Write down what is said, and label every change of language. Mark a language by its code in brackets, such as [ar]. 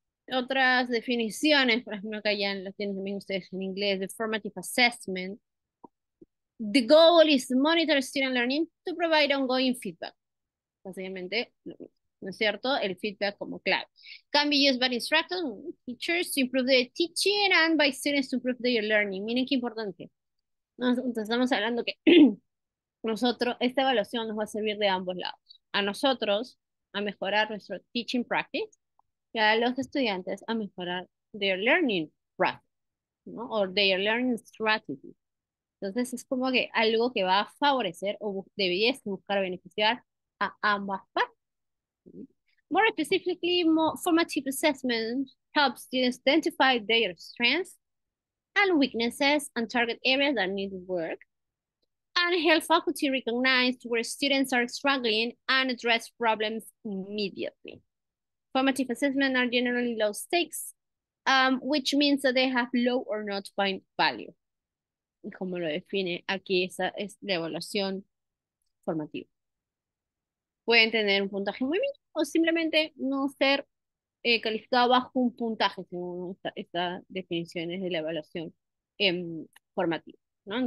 [es] Otras definiciones, por ejemplo, que ya las tienen también ustedes en inglés, de formative assessment. [en] The goal is to monitor student learning to provide ongoing feedback. [es] Básicamente, ¿no es cierto? El feedback como clave. [en] Can be used by instructors, teachers, to improve their teaching and by students to improve their learning. [es] Miren qué importante. Entonces, estamos hablando que nosotros, esta evaluación nos va a servir de ambos lados. A nosotros, a mejorar nuestro teaching practice y a los estudiantes a mejorar [en] their learning practice, [es] ¿no? [en] O their learning strategy. [es] Entonces es como que algo que va a favorecer o bu debería buscar beneficiar a ambas partes. [en] More specifically, more formative assessment helps students identify their strengths and weaknesses and target areas that need work, and help faculty recognize where students are struggling and address problems immediately. Formative assessments are generally low stakes, which means that they have low or not defined value. [es] Y como lo define aquí, esa es la evaluación formativa. Pueden tener un puntaje muy mínimo o simplemente no ser calificado bajo un puntaje, según estas definiciones de la evaluación formativa, ¿no?